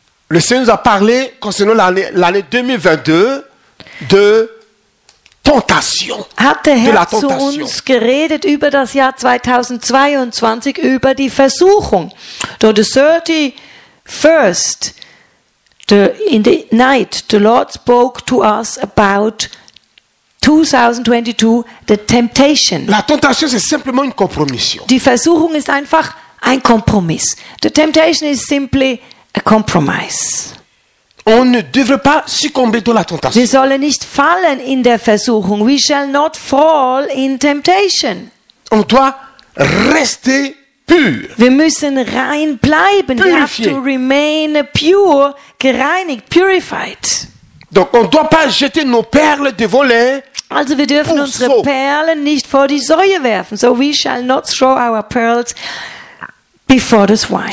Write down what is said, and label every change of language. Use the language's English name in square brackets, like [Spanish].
[French] Le Seigneur nous a parlé concernant l'année 2022 de tentation. [German] Hat der Herr [French] de la tentation. [German] Zu uns geredet über das Jahr 2022, über die Versuchung. [English] So the 31st, in the night, the Lord spoke to us about 2022, the temptation. [French] La tentation, c'est simplement une compromission. [German] Die Versuchung ist einfach ein Kompromiss. [English] The temptation is simply a compromise. [French] On ne devrait pas succomber dans la tentation. [German] Wir sollen nicht fallen in der Versuchung. [English] We shall not fall in temptation. [French] On doit rester pur. [German] Wir müssen rein bleiben. [French] Purifié. [English] We have to remain pure, gereinigt, purified. [French] Donc on ne doit pas jeter nos perles devant les [German] Also wir dürfen [French] Pousseau. [German] Unsere Perlen nicht vor die Säue werfen. [English] So we shall not throw our pearls before the swine.